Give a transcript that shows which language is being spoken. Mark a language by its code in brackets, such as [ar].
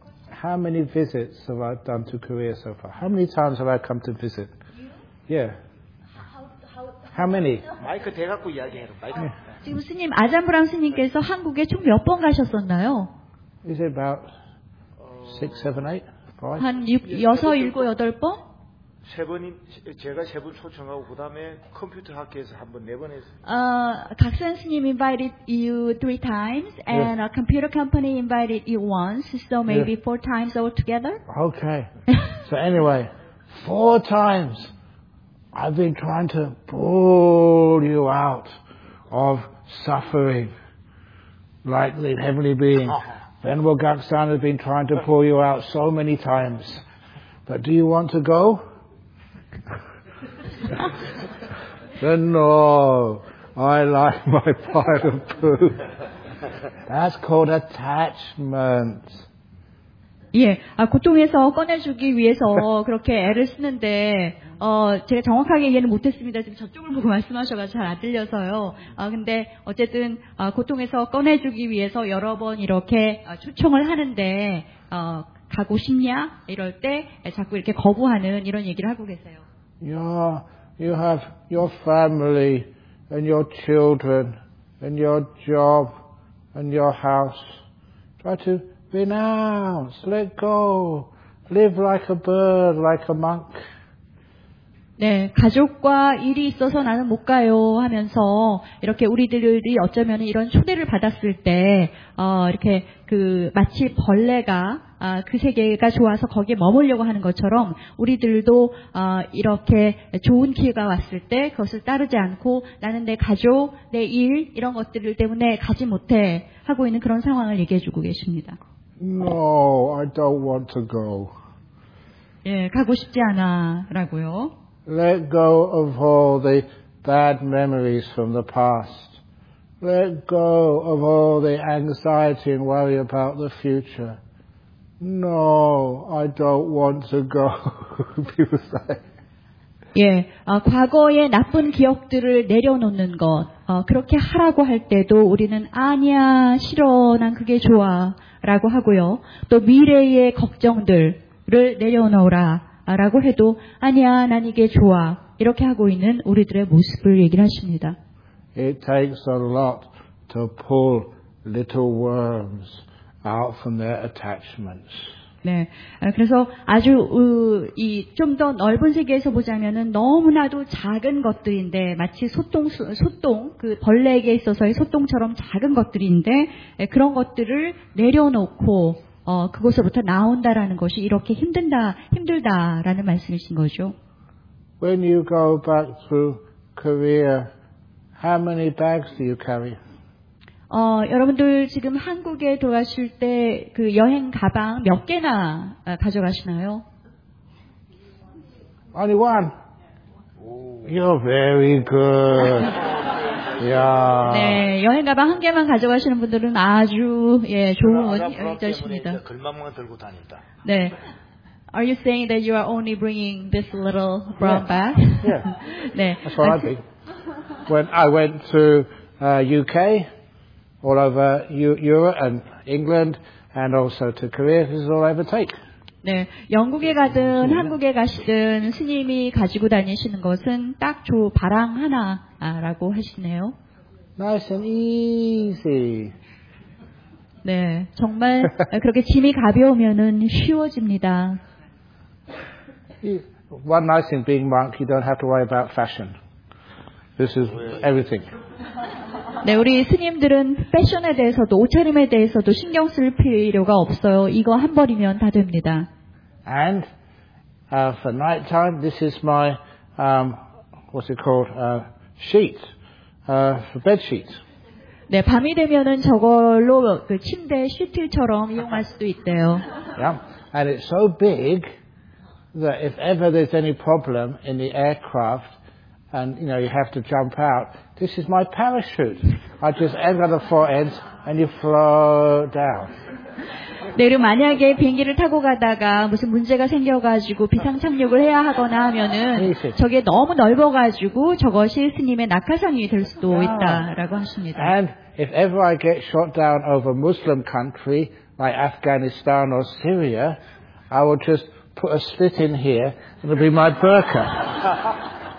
[en] How many visits have I done to Korea so far? How many times have I come to visit? Yeah. How many? [ko] 마이크 대갖고 이야기해요. 마이크. 지금 스님 아잠브람 스님께서 한국에 총 몇 번 가셨었나요? [en] Is it about 6, 7, 8, 5? [ko] 한 6, 7, 8번? 제가 세 번 초청하고 그다음에 컴퓨터 학회에서 한번 네 번 했어요. [en] 각선 스님 invited you 3 times and yeah. a computer company invited you once, so maybe yeah. 4 times altogether. Okay. So anyway, 4 times I've been trying to pull you out. Of suffering, like the heavenly being. Venerable Gaksan has been trying to pull you out so many times. But do you want to go? No, I like my pile of poo. That's called attachment. [ko] 예, 고통에서 꺼내주기 위해서 그렇게 애를 쓰는데 제가 정확하게 이해는 못했습니다. 지금 저쪽을 보고 말씀하셔가지고 잘 안 들려서요. 근데 어쨌든 고통에서 꺼내주기 위해서 여러 번 이렇게 초청을 하는데 가고 싶냐 이럴 때 자꾸 이렇게 거부하는 이런 얘기를 하고 계세요. [en] You have your family and your children and your job and your house. Try to renounce, let go, live like a bird, like a monk. [ko] 네, 가족과 일이 있어서 나는 못 가요 하면서 이렇게 우리들이 어쩌면 이런 초대를 받았을 때 이렇게 그 마치 벌레가 그 세계가 좋아서 거기에 머물려고 하는 것처럼 우리들도 이렇게 좋은 기회가 왔을 때 그것을 따르지 않고 나는 내 가족, 내 일 이런 것들 때문에 가지 못해 하고 있는 그런 상황을 얘기해 주고 계십니다. [en] No, I don't want to go. [ko] 예, 가고 싶지 않아라고요. [en] Let go of all the bad memories from the past. Let go of all the anxiety and worry about the future. No, I don't want to go. People say. [ko] 예, 과거의 나쁜 기억들을 내려놓는 것. 그렇게 하라고 할 때도 우리는 아니야, 싫어, 난 그게 좋아 라고 하고요. 또 미래의 걱정들을 내려놓으라. 라고 해도 아니야 난 이게 좋아 이렇게 하고 있는 우리들의 모습을 얘기를 하십니다. [en] It takes a lot to pull little worms out from their attachments. [ko] 네, 그래서 아주 이 좀 더 넓은 세계에서 보자면은 너무나도 작은 것들인데 마치 소똥 그 벌레에게 있어서의 소똥처럼 작은 것들인데 그런 것들을 내려놓고. 그곳으로부터 나온다라는 것이 이렇게 힘들다라는 말씀이신 거죠. [en] When you go back through Korea, how many bags do you carry? [ko] 여러분들 지금 한국에 돌아가실 때 그 여행 가방 몇 개나 가져가시나요? [en] Only one. You're very good. Yeah. [ko] 네, 여행 가방 한 개만 가져가시는 분들은 아주 예, 좋은 여행자십니다. 글만만 들고 다닌다. 네. [en] Are you saying that you are only bringing this little brown bag? Yeah. Yeah. [ko] 네. [en] That's what I think. When I went to UK, all over Europe and England, and also to Korea. This is all I ever take. [ko] 네, 영국에 가든 한국에 가시든 스님이 가지고 다니시는 것은 딱 조 바랑 하나라고 하시네요. [en] Nice and easy. [ko] 네, 정말 그렇게 짐이 가벼우면은 쉬워집니다. [en] One nice thing being monk, you don't have to worry about fashion. This is everything. [ko] 네, 우리 스님들은 패션에 대해서도 옷차림에 대해서도 신경 쓸 필요가 없어요. 이거 한 벌이면 다 됩니다. [en] And for night time, this is my what's it called? Sheet for bed sheets. [ko] 네, 밤이 되면은 저걸로 그 침대 시트처럼 이용할 수도 있대요. [en] Yeah. And it's so big that if ever there's any problem in the aircraft, and you know you have to jump out, this is my parachute. I just end at the four ends and you float down. [ko] 네, 그리고 만약에 비행기를 타고 가다가 무슨 문제가 생겨가지고 비상 착륙을 해야 하거나 하면은 저게 너무 넓어가지고 저것이 스님의 낙하산이 될 수도 있다라고 하십니다. [en] And if ever I get shot down over Muslim country like Afghanistan or Syria, I will just put a slit in here and it'll be my burqa.